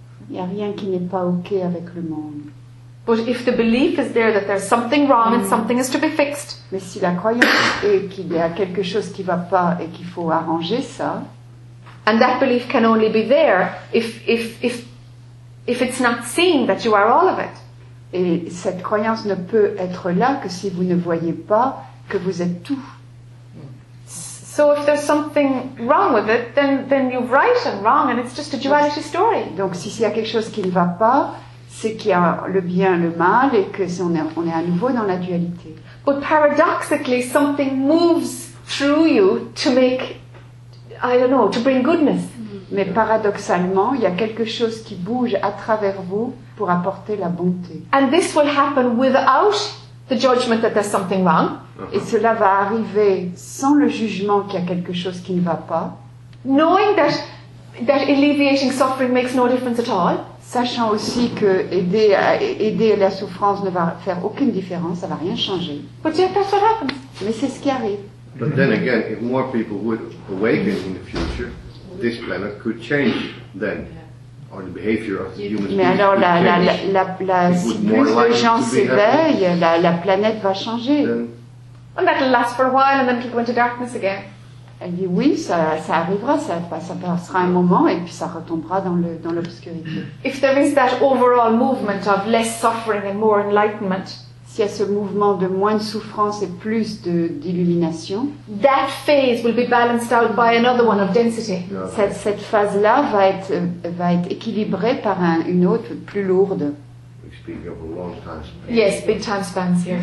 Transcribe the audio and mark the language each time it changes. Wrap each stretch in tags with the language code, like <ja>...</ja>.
<fr>Il n'y a rien qui n'est pas OK avec le monde.</fr> <en>But if the belief is there that there's something wrong and something is to be fixed.</en> <fr>Mais si la croyance est qu'il y a quelque chose qui ne va pas et qu'il faut arranger ça.</fr> <en>And that belief can only be there if it's not seen that you are all of it.</en> <fr>Et cette croyance ne peut être là que si vous ne voyez pas que vous êtes tout.</fr> <en>So if there's something wrong with it, then you've right and wrong, and it's just a duality story.</en> <fr>Donc si il y a quelque chose qui ne va pas, c'est qu'il y a le bien, le mal, et que on est à nouveau dans la dualité.</fr> <en>But paradoxically, something moves through you to make, I don't know, to bring goodness.</en> <fr>Mais paradoxalement, il y a quelque chose qui bouge à travers vous pour apporter la bonté.</fr> <en>And this will happen without the judgment that there's something wrong.</en> <fr>Et cela va arriver sans le jugement qu'il y a quelque chose qui ne va pas.</fr> <en>Knowing that alleviating suffering makes no difference at all.</en> <fr>Sachant aussi que aider la souffrance ne va faire aucune différence, ça va rien changer.</fr> <en>But yet that's what happens.</en> <fr>Mais c'est ce qui arrive.</fr> <en>But then again, if more people would awaken in the future, this planet could change then. Or the behavior of the human.</en> <fr>Mais alors, si plus de gens s'éveillent, la planète va changer.</fr> <en>And that'll last for a while, and then people go into darkness again.</en> <fr>Elle dit oui, ça arrivera, ça passera un moment, et puis ça retombera dans l'obscurité.</fr> <en>If there is that overall movement of less suffering and more enlightenment,</en> <fr>s'il y a ce mouvement de moins de souffrance et plus d'illumination,</fr> <en>that phase will be balanced out by another one of density.</en> <fr>Cette phase-là va être équilibrée par une autre plus lourde.</fr> <en>We speak of a long time span. Yes, big time spans here.</en>